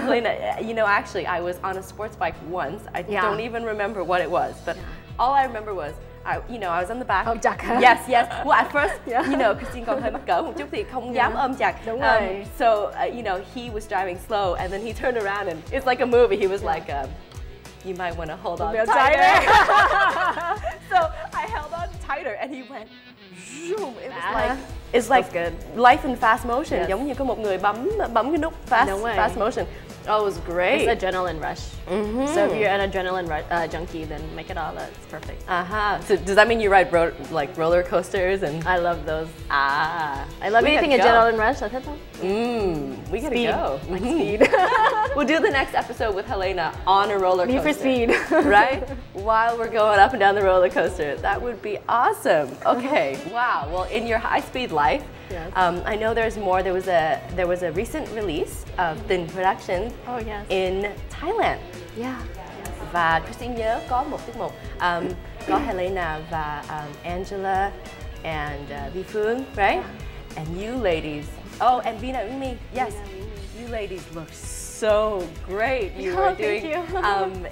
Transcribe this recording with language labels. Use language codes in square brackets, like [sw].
[en] Helena, you know, actually, I was on a sports bike once. I don't even remember what it was, but all I remember was, I was on the back. [vi] Ôm chặt hả? [en] Yes, yes. Well, at first, you know, [vi] Kristine còn hơi mắc cỡ một chút thì không dám ôm chặt. Đúng rồi. [en] So, he was driving slow, and then he turned around, and it's like a movie. He was like, you might want to hold on tighter. So I held on tighter, and he went, zoom. It's like good. Life in fast motion. Yes. [vi] Giống như có một người bấm cái nút fast motion. [en] Oh, it was great. It's an adrenaline rush. Mm-hmm. So if you're an adrenaline junkie, then make it all. That's perfect. Uh-huh. So does that mean you ride roller coasters? And I love those. Ah. I love anything adrenaline rush. We gotta speed. Go. Like speed. We'll do the next episode with Helena on a roller coaster. Need for speed. Right? While we're going up and down the roller coaster. That would be awesome. Okay. Wow. Well, in your high speed life, yes. I know there's more. There was a recent release of Thin Production. Oh yes. In Thailand. Yeah. Yes. [vi] Và Kristine nhớ có một tiết mục có Helena và Angela and Vi Phương, [en] right? Yeah. And you ladies. Oh, and Vina Umi. Yes. Vina, you ladies look so great. You were doing. Thank you.